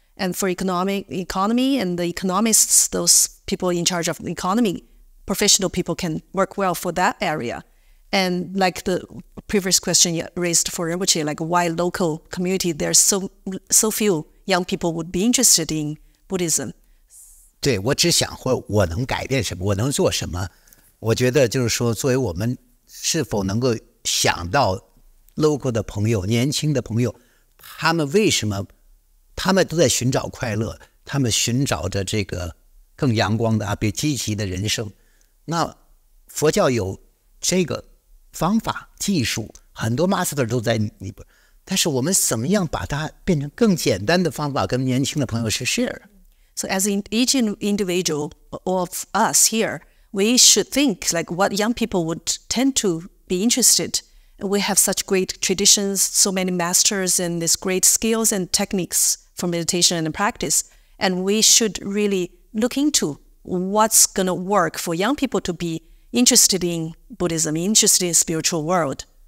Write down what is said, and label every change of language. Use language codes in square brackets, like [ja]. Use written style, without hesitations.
[en] And for economy and the economists, those people in charge of the economy, professional people can work well for that area. And like the previous question you raised for Rinpoche, like why local community, there's so few young people would be interested in Buddhism. [zh] 对，我只想或我能改变什么，我能做什么。我觉得就是说，作为我们是否能够想到 local 的朋友、年轻的朋友，他们为什么？他们都在寻找快乐，他们寻找着这个更阳光的、比积极的人生。那佛教有这个方法、技术，很多 master 都在你，但是我们怎么样把它变成更简单的方法，跟年轻的朋友去 share？ [en] So as in each individual of us here. We should think like what young people would tend to be interested. We have such great traditions, so many masters and these great skills and techniques for meditation and practice. And we should really look into what's going to work for young people to be interested in Buddhism, interested in spiritual world.